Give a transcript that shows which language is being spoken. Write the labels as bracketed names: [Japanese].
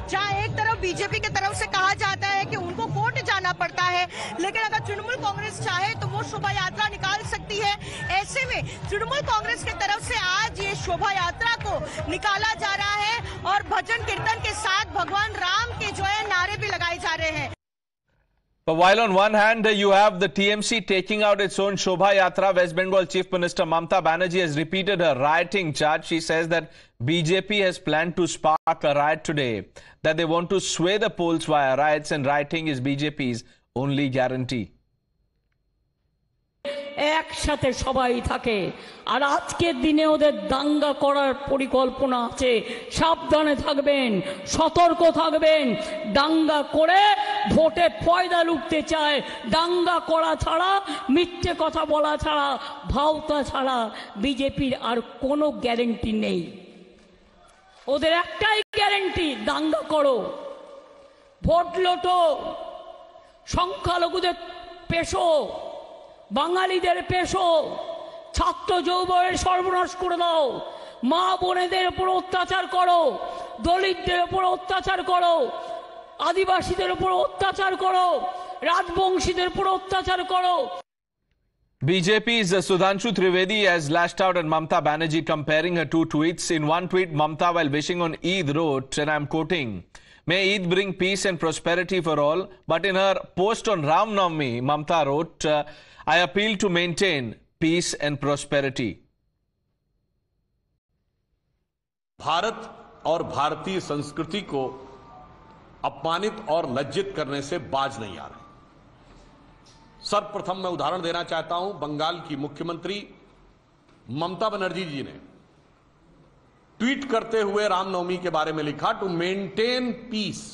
[Hindi] जहां एक तरफ बीजेपी की तरफ से कहा जाता है कि उनको कोर्ट जाना पड़ता है, लेकिन अगर तृणमूल कांग्रेस चाहे तो वो शोभा यात्रा निकाल सकती है। ऐसे में तृणमूल कांग्रेस की तरफ से आज ये शोभा यात्रा को निकाला जा रहा है और भजन कीर्तन के साथ भगवान राम के जो है नारे भी लगाए जा रहे हैं। [English] But while on one hand you have the TMC taking out its own Shobha Yatra, West Bengal Chief Minister Mamata Banerjee has repeated her rioting charge. She says that BJP has planned to spark a riot today, that they want to sway the polls via riots, and rioting is BJP's only guarantee. [Bangla] একসাথে সবাই থাকে আর আজকের দিনে ওদের দাঙ্গা করার পরিকল্পনা আছে। সাবধানে থাকবেন, সতর্ক থাকবেন, দাঙ্গা করে ভোটে ফয়দা লুটতে চায়। দাঙ্গা করা ছাড়া, মিথ্যে কথা বলা ছাড়া, ভাওতা ছাড়া বিজেপির আর কোনো গ্যারেন্টি নেই। ওদের একটাই গ্যারেন্টি, দাঙ্গা করো, ভোট লোটো, সংখ্যালঘুদের পেশো, বাঙালিদের পেশো, ছাত্র যৌবনের সর্বনাশ করে দাও, মা বোনেদের উপর অত্যাচার করো, দলিতদের উপর অত্যাচার করো, আদিবাসীদের উপর অত্যাচার করো, রাজবংশীদের উপর অত্যাচার করো। [English] BJP's Sudhanshu Trivedi has lashed out at Mamata Banerjee, comparing her two tweets. In one tweet, Mamata, while wishing on Eid, wrote, and I'm quoting, "May Eid bring peace and prosperity for all." But in her post on Ram Navami, Mamata wrote, "I appeal to maintain peace and prosperity." [Hindi] Bharat और भारतीय संस्कृति को अपमानित और लज्जित करने से बाज नहीं आ रहे। सर्वप्रथम मैं उदाहरण देना चाहता हूं, बंगाल की मुख्यमंत्री ममता बनर्जी जी ने ट्वीट करते हुए रामनवमी के बारे में लिखा, [English] "To maintain peace."